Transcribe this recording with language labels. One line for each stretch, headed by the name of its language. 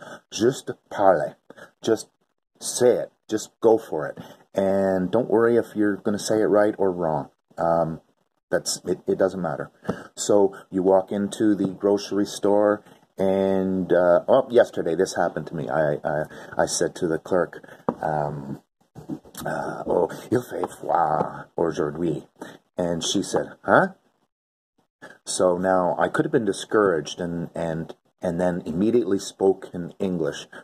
English: Just parler. Just say it. Just go for it. And don't worry if you're going to say it right or wrong. It doesn't matter. So you walk into the grocery store and, yesterday this happened to me. I said to the clerk,
French: il fait froid aujourd'hui.
English: And she said, huh? So now I could have been discouraged and then immediately spoke in English.